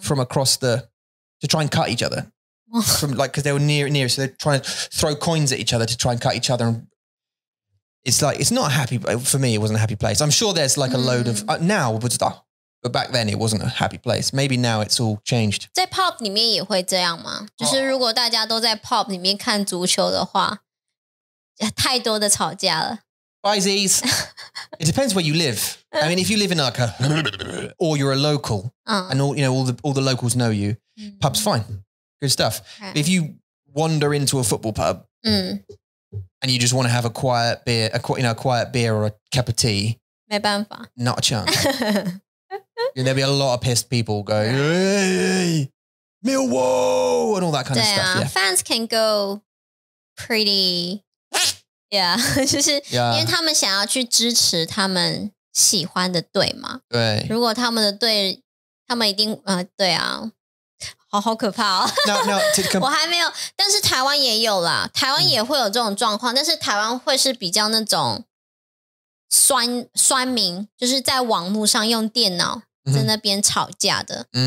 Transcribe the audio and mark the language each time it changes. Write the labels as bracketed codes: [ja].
[en] From across the, to try and cut each other. From like, cause they were near. So they're trying to throw coins at each other to try and cut each other. And it's like, it's not a happy, for me, it wasn't a happy place. I'm sure there's like a load of, now, but back then it wasn't a happy place. Maybe now it's all changed. [zh] 在 pop 里面也会这样吗？就是如果大家都在 pop 里面看足球的话，太多的吵架了。 [en] Bye, Z's. It depends where you live. I mean, if you live in like a, or you're a local, and all, you know, all the locals know you, pub's fine. Good stuff. Okay. If you wander into a football pub, and you just want to have a quiet beer, a quiet beer or a cup of tea. [zh] 没办法。 [en] Not a chance. There'll be a lot of pissed people going, hey, Millwall, and all that kind of stuff. Yeah. Fans can go pretty, yeah. [zh] 就是因为他们想要去支持他们喜欢的队嘛。对。如果他们的队，他们一定，对啊，好好可怕哦。 [en] No, [zh] 我还没有，但是台湾也有啦，台湾也会有这种状况，但是台湾会是比较那种酸民，就是在网路上用电脑在那边吵架的。